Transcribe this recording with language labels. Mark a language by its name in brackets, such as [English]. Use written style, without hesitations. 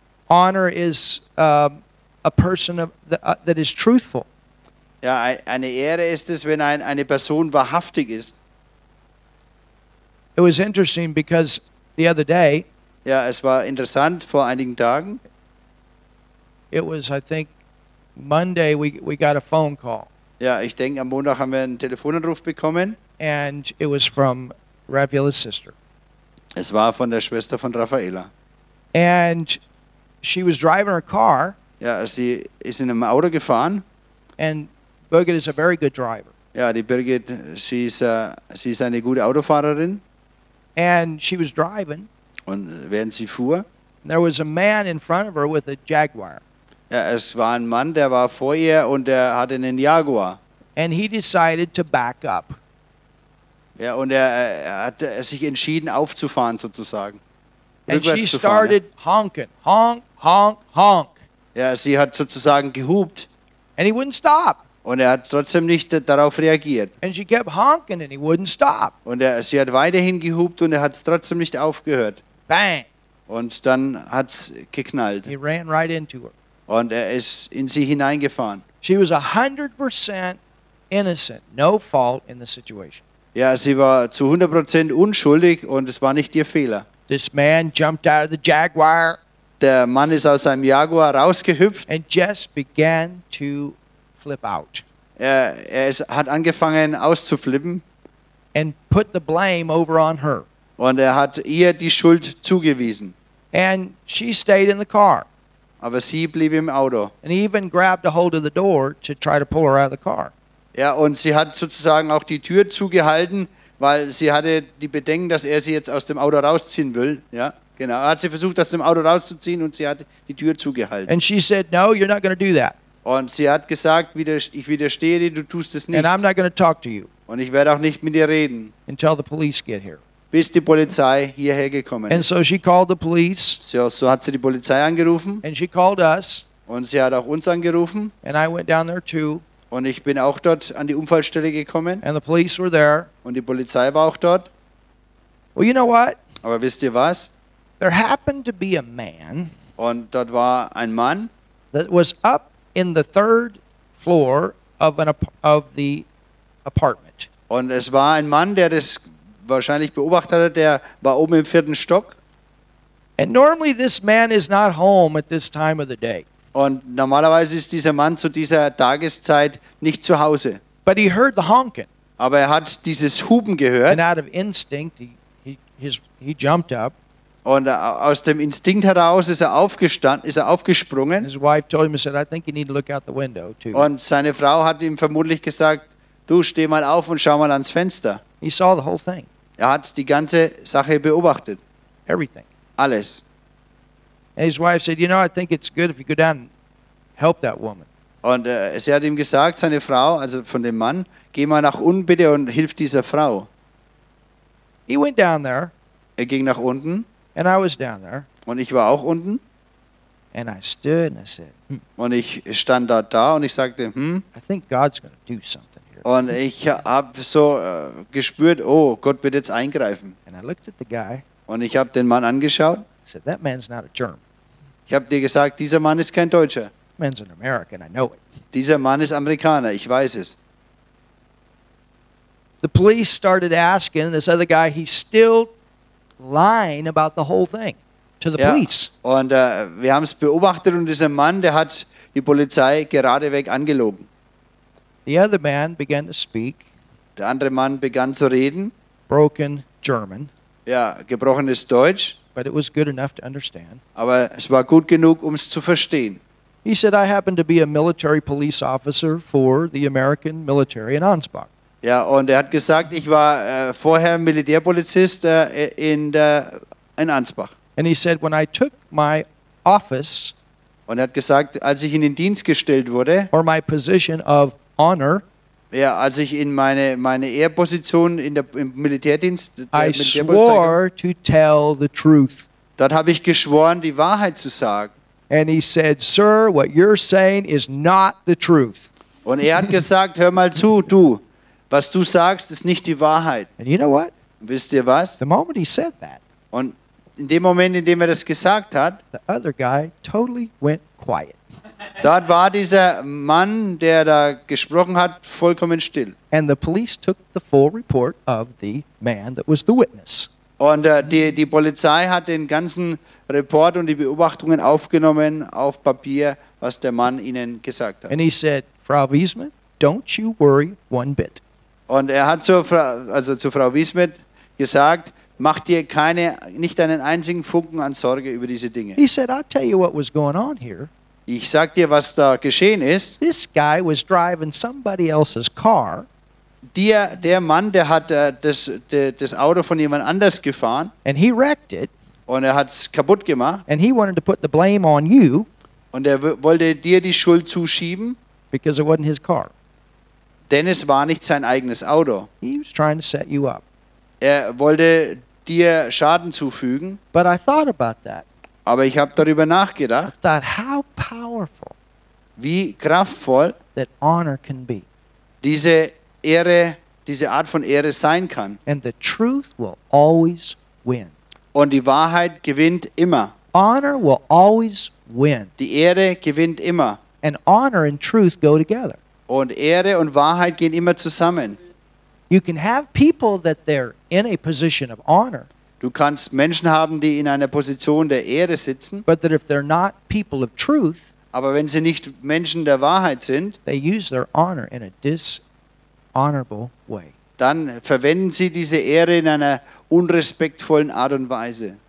[English] Honor is a person of that is truthful. [German] Ja, eine Ehre ist es, wenn eine Person wahrhaftig ist. [English] It was interesting because the other day. [German] Ja, es war interessant vor einigen Tagen. [English] It was, I think, Monday. We got a phone call. [German] Ja, ich denke, am Montag haben wir einen Telefonanruf bekommen. [English] And it was from Raffaella's sister. [German] Es war von der Schwester von Raffaella. [English] And she was driving her car. [German] Ja, sie ist in einem Auto gefahren. [English] And Birgit is a very good driver. [German] Ja, die Birgit, sie ist eine gute Autofahrerin. [English] And she was driving. [German] Und während sie fuhr. [English] There was a man in front of her with a Jaguar. [German] Ja, es war ein Mann, der war vor ihr und der hatte einen Jaguar. [English] And he decided to back up. [German] Ja, und er hat sich entschieden aufzufahren sozusagen. [English] And she started honking. Honk, honk, honk. [German] Ja, sie hat sozusagen gehupt. [English] And he wouldn't stop. [German] Und hat trotzdem nicht darauf reagiert. [English] And she kept honking and he wouldn't stop. [German] Und sie hat weiterhin gehupt und hat trotzdem nicht aufgehört. [English] Bang. [German] Und dann hat's geknallt. [English] He ran right into her. [German] Und ist in sie hineingefahren. [English] She was 100% innocent, no fault in the situation. [German] Ja, sie war zu 100% unschuldig und es war nicht ihr Fehler. [English] This man jumped out of the Jaguar. [German] Der Mann ist aus seinem Jaguar rausgehüpft. [English] And just began to flip out. [German] Hat angefangen auszuflippen. [English] And put the blame over on her. [German] Und hat ihr die Schuld zugewiesen. [English] And she stayed in the car. [German] Aber sie blieb im Auto. [English] And he even grabbed a hold of the door to try to pull her out of the car. [German] Ja, und sie hat sozusagen auch die Tür zugehalten, weil sie hatte die Bedenken, dass er sie jetzt aus dem Auto rausziehen will. Ja, genau. Hat sie versucht, aus dem Auto rauszuziehen und sie hat die Tür zugehalten. [English] And she said, no, you're not going to do that. [German] Und sie hat gesagt, ich widerstehe dir, du tust es nicht. [English] And I'm not going to talk to you. [German] Und ich werde auch nicht mit dir reden. [English] Until the police get here. [German] Bis die Polizei hierher gekommen ist. [English] And so she called the police. [German] So hat sie die Polizei angerufen. [English] And she called us. [German] Und sie hat auch uns angerufen. [English] And I went down there too. [German] Und ich bin auch dort an die Unfallstelle gekommen. [English] And the police were there. [German] Und die Polizei war auch dort. [English] Well, you know what? [German] Aber wisst ihr was? [English] There happened to be a man. [German] Und dort war ein Mann. [English] That was up in the third floor of the apartment. [German] Und es war ein Mann, der das wahrscheinlich beobachtet hat. Der war oben im vierten Stock. [English] And normally this man is not home at this time of the day. [German] Und normalerweise ist dieser Mann zu dieser Tageszeit nicht zu Hause. [English] But he heard the honking. [German] Aber er hat dieses Hupen gehört. [English] And out of instinct, he jumped up. [German] Und aus dem Instinkt heraus ist er aufgesprungen. [English] His wife told him, he said, I think you need to look out the window too. [German] Und seine Frau hat ihm vermutlich gesagt, du steh mal auf und schau mal ans Fenster. [English] He saw the whole thing. [German] Er hat die ganze Sache beobachtet. [English] Everything. [German] Alles. [English] And his wife said, you know, I think it's good if you go down and help that woman. [German] Und sie hat ihm gesagt, seine Frau, also von dem Mann, geh mal nach unten bitte und hilf dieser Frau. [English] He went down there. [German] Er ging nach unten. [English] And I was down there. [German] Und ich war auch unten. [English] And I stood and I said, [German] Und ich stand dort da und ich sagte, [English] I think God's going to do something here. [German] Und ich habe so gespürt, oh, Gott wird jetzt eingreifen. [English] And I looked at the guy. [German] Und ich habe den Mann angeschaut. [English] I said, that man's not a German. [German] Ich habe dir gesagt, dieser Mann ist kein Deutscher. [English] Man's an American, I know it. [German] Dieser Mann ist Amerikaner, ich weiß es. [English] The police started asking this other guy, he's still lying about the whole thing to the police. [German] Und wir haben es beobachtet und dieser Mann, der hat die Polizei geradeweg angelogen. [English] The other man began to speak. [German] Der andere Mann begann zu reden. [English] Broken German. [German] Ja, gebrochenes Deutsch. [English] But it was good enough to understand. [German] Aber es war gut genug, um es zu verstehen. [English] He said, I happen to be a military police officer for the American military in Ansbach. [German] Ja, und hat gesagt, ich war vorher Militärpolizist in Ansbach. [English] And he said, when I took my office, [German] und hat gesagt, als ich in den Dienst gestellt wurde, [English] or my position of honor, [German] ja, als ich in meine Ehrposition im Militärdienst, [English] I swore to tell the truth. [German] Dort habe ich geschworen, die Wahrheit zu sagen. [English] And he said, sir, what you're saying is not the truth. [German] Und hat gesagt, hör mal zu, du, was du sagst, ist nicht die Wahrheit. [English] And you know what? [German] Wisst ihr was? [English] The moment he said that. [German] Und in dem Moment, in dem das gesagt hat, [English] the other guy totally went quiet. [German] Dort war dieser Mann, der da gesprochen hat, vollkommen still. [English] And the police took the full report of the man that was the witness. [German] Und die Polizei hat den ganzen Report und die Beobachtungen aufgenommen auf Papier, was der Mann ihnen gesagt hat. [English] And he said, Frau Wiesmann, don't you worry one bit. [German] Und hat zu Frau Wiesmann gesagt, mach dir nicht einen einzigen Funken an Sorge über diese Dinge. [English] He said, I'll tell you what was going on here. [German] Ich sag dir, was da geschehen ist. [English] This guy was driving somebody else's car. [German] Der Mann, der hat das Auto von jemand anders gefahren. [English] And he wrecked it. [German] Und hat's kaputt gemacht. [English] And he wanted to put the blame on you. [German] Und wollte dir die Schuld zuschieben. [English] Because it wasn't his car. [German] Denn es war nicht sein eigenes Auto. [English] He was trying to set you up. [German] Wollte dir Schaden zufügen. [English] But I thought about that. [German] Aber ich habe darüber nachgedacht, [English] how powerful, [German] wie kraftvoll [English] that honor can be. [German] Diese Ehre, diese Art von Ehre sein kann. [English] And the truth will always win. [German] Und die Wahrheit gewinnt immer. [English] Honor will always win. [German] Die Ehre gewinnt immer. [English] And honor and truth go together. [German] Und Ehre und Wahrheit gehen immer zusammen. [English] You can have people that they're in a position of honor. [German] Du kannst Menschen haben, die in einer Position der Ehre sitzen. [English] But that if they're not people of truth, [German] aber wenn sie nicht Menschen der Wahrheit sind, [English] they use their honor in a dishonorable way. [German] Dann verwenden sie diese Ehre in einer unrespektvollen Art und Weise.